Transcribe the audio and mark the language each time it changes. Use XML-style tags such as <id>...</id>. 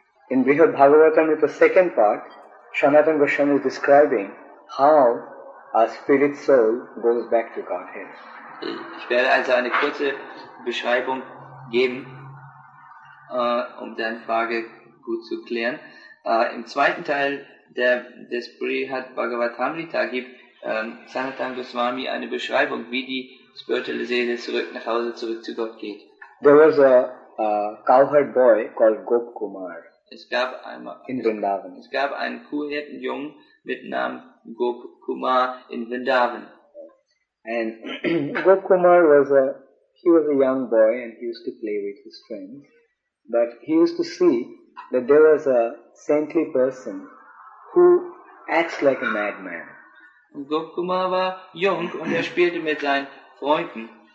<en>In Brihad Bhagavatam, in the second part, Sanatana Goswami is describing how a spirit soul goes back to Godhead.</en> <de>Ich werde also eine kurze Beschreibung geben, um deine Frage gut zu klären. Im zweiten Teil des Brihad Bhagavatamrita gibt Sanatana Goswami eine Beschreibung, wie die spirituelle Seele zurück nach Hause, zurück zu Gott geht.</de> <en>There was a cowherd boy called Gop Kumar.</en> <de>Es gab einen Kuhhirtenjungen mit Namen Gop Kumar in Vrindavan.</de> <en>And Gop Kumar was a young boy and he used to play with his friends. But he used to see that there was a saintly person who acts like a madman.</en> <de>Gop Kumar war jung und er spielte mit seinen Freunden.</de>